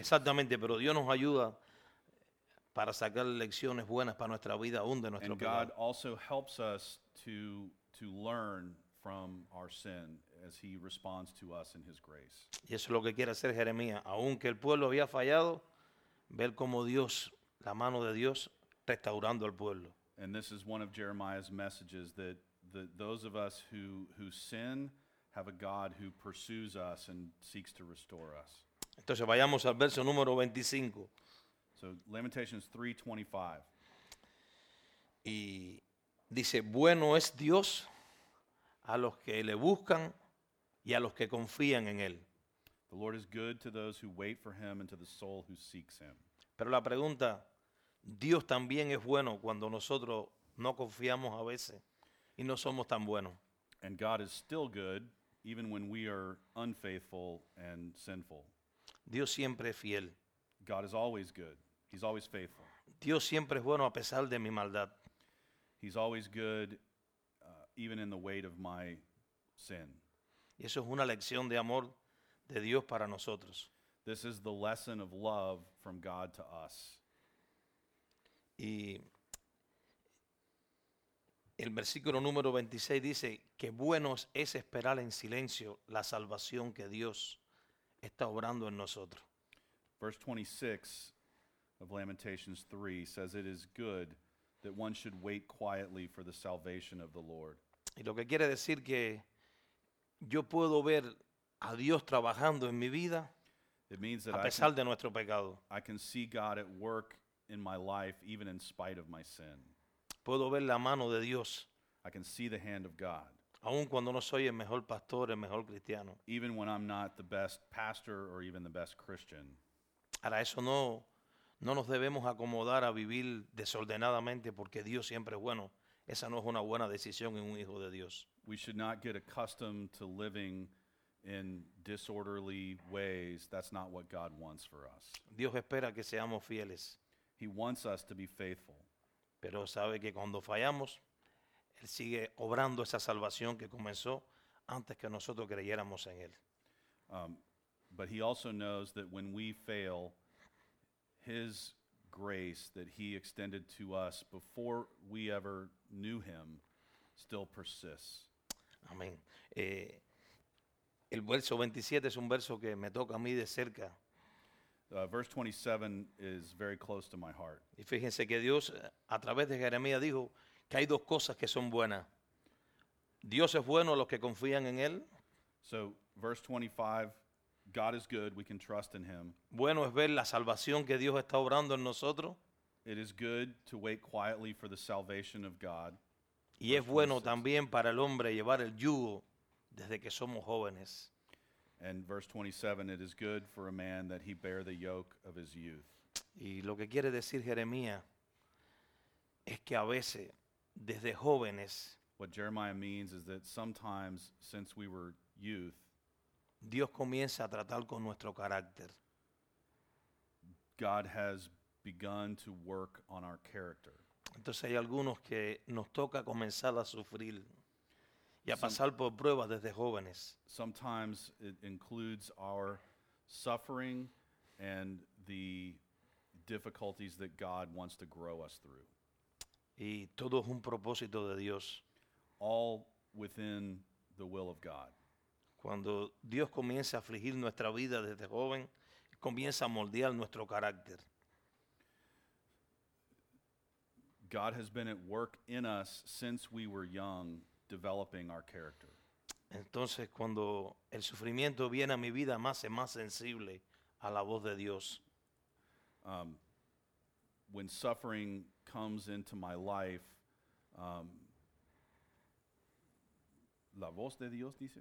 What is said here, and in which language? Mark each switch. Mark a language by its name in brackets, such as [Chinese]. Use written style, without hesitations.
[Spanish] Exactamente, pero Dios nos ayuda para sacar lecciones buenas para nuestra vida aún de nuestro pecado. [English] And God also helps us to learn from our sin as he responds to us in his grace. [Spanish] Y eso es lo que quiere hacer Jeremías, aunque el pueblo había fallado, ver cómo Dios, la mano de Dios restaurando al pueblo. [English] And this is one of Jeremiah's messages that those of us who sin have a God who pursues us and seeks to restore us. [Spanish] Entonces vayamos al verso número 25. [English] So Lamentations 3:25. [Spanish] Y dice, bueno es Dios a los que le buscan y a los que confían en él. [English] The Lord is good to those who wait for him and to the soul who seeks him. [Spanish] Pero la pregunta, Dios también es bueno cuando nosotros no confiamos a veces y no somos tan buenos. [English] And God is still good even when we are unfaithful and sinful. [Spanish] Dios siempre es fiel. [English] God is always good. He's always faithful. [Spanish] Dios siempre es bueno a pesar de mi maldad. [English] He's always good even in the weight of my sin. [Spanish] Y eso es una lección de amor de Dios para nosotros. [English] This is the lesson of love from God to us. [Spanish] Y el versículo número 26 dice que bueno es esperar en silencio la salvación que Dios está obrando en nosotros. [English] Verse 26 of Lamentations 3 says it is good that one should wait quietly for the salvation of the Lord. [Spanish] Y lo que quiere decir que yo puedo ver a Dios trabajando en mi vida a pesar de nuestro pecado. [English] I can see God at work in my life even in spite of my sin. [Spanish] Puedo ver la mano de Dios. [English] I can see the hand of God. [Spanish] Aun cuando no soy el mejor pastor, el mejor cristiano. [English] Even when I'm not the best pastor or even the best Christian. [Spanish] Ahora eso no nos debemos acomodar a vivir desordenadamente porque Dios siempre es bueno. Esa no es una buena decisión en un hijo de Dios. [English] We should not get accustomed to living in disorderly ways. That's not what God wants for us. [Spanish] Dios espera que seamos fieles. [English] He wants us to be faithful. [Spanish] Pero sabe que cuando fallamos, Él sigue obrando esa salvación que comenzó antes que nosotros creyéramos en él. [English] But he also knows that when we fail, his grace that he extended to us before we ever knew him still persists. [Spanish] Amén. El verso 27 es un verso que me toca a mí de cerca. [English] Verse 27 is very close to my heart. [Spanish] Y fíjense que Dios a través de Jeremías dijo que hay dos cosas que son buenas. Dios es bueno a los que confían en él. [English] So verse 25, God is good, we can trust in him. [Spanish] Bueno es ver la salvación que Dios está obrando en nosotros. [English] It is good to wait quietly for the salvation of God. [Spanish] Y es bueno también para el hombre llevar el yugo desde que somos jóvenes. [English] And verse 27, it is good for a man that he bear the yoke of his youth. [Spanish] Y lo que quiere decir Jeremías es que a veces desde jóvenes, [English] what Jeremiah means is that sometimes since we were youth, [Spanish] Dios comienza a tratar con nuestro carácter. [English] God has begun to work on our character. [Spanish] Entonces hay algunos que nos toca comenzar a sufrir y a pasar por pruebas desde jóvenes. [English] Sometimes it includes our suffering and the difficulties that God wants to grow us through. [Spanish] Y todo es un propósito de Dios. [English] All within the will of God. [Spanish] Cuando Dios comienza a afligir nuestra vida desde joven, comienza a moldear nuestro carácter. [English] God has been at work in us since we were young, developing our character. [Spanish] Entonces, cuando el sufrimiento viene a mi vida, me hace más sensible a la voz de Dios. [English] When suffering comes into my life, [Spanish] la voz de Dios dice.